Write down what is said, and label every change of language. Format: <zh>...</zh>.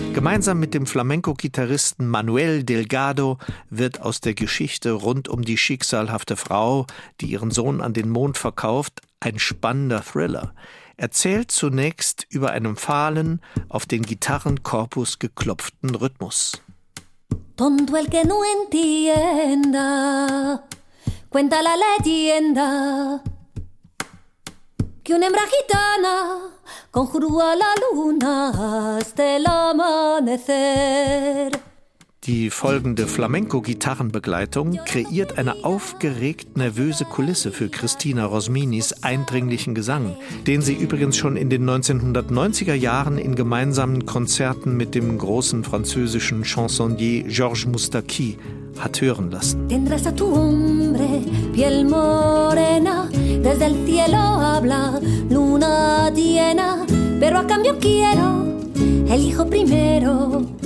<de>Gemeinsam mit dem Flamenco-Gitarristen Manuel Delgado wird aus der Geschichte rund um die schicksalhafte Frau, die ihren Sohn an den Mond verkauft, ein spannender Thriller. Erzählt zunächst über einen fahlen, auf den Gitarrenkorpus geklopften Rhythmus.</de> <es>Tonto el que no entienda, cuenta la leyenda, que una hembra gitana conjuró a la luna hasta el amanecer.</es> <de>Die folgende Flamenco-Gitarrenbegleitung kreiert eine aufgeregt-nervöse Kulisse für Cristina Rosminis eindringlichen Gesang, den sie übrigens schon in den 1990er Jahren in gemeinsamen Konzerten mit dem großen französischen Chansonnier Georges Moustaki hat hören lassen.</de> <es>Tendrás a tu hombre, piel morena, desde el cielo habla luna llena, pero a cambio quiero el hijo primero.</es>